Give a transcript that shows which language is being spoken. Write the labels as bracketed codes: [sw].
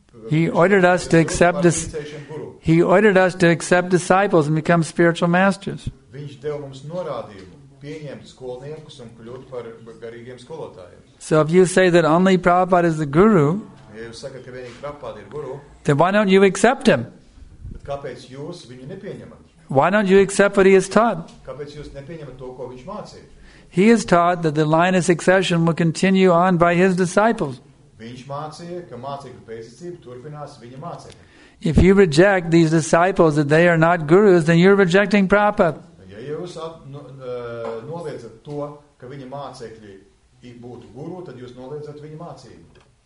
[en] He ordered us to accept disciples and become spiritual masters. [lv] Viņš deva mums norādījumu pieņemt skolniekus un kļūt par garīgiem skolotājiem. [en] So if you say that only Prabhupada is the guru, [lv] ja jūs sakat, ka vienīgi Prabhupada ir guru, [en] then why don't you accept him? [lv] Bet kāpēc jūs viņu nepieņemat? [en] Why don't you accept what he has taught? [lv] Kāpēc jūs nepieņemat to, ko viņš mācīja? [en] He has taught that the line of succession will continue on by his disciples. [lv] Viņš mācīja, ka mācīja pēcticība turpinās viņa mācīja. [en] If you reject these disciples that they are not gurus, then you're rejecting Prabhupada. [lv] Ja jūs noliedzat to, ka viņa mācekļi būtu guru, tad jūs noliedzat viņa mācību.